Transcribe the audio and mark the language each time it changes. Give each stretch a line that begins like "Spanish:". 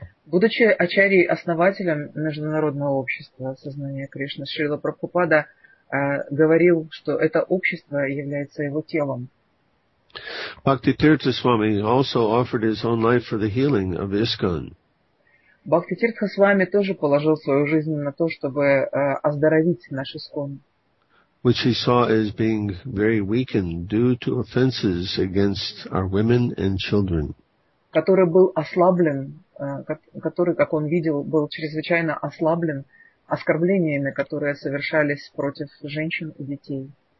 Russian: Будучи Ачарьей-основателем международного общества сознания Кришны, Шрила Прабхупада говорил, что это общество является его телом.
English: Bhaktitirtha Swami also offered his own life for the healing of ISKCON.
Russian: Бхактитирта Свами тоже положил свою жизнь на то, чтобы оздоровить наш ИСККОН.
English: Which he saw as being very weakened due to offenses against our women and children.
Russian: Который был ослаблен, который, как он видел, был чрезвычайно ослаблен оскорблениями, которые совершались против женщин и детей.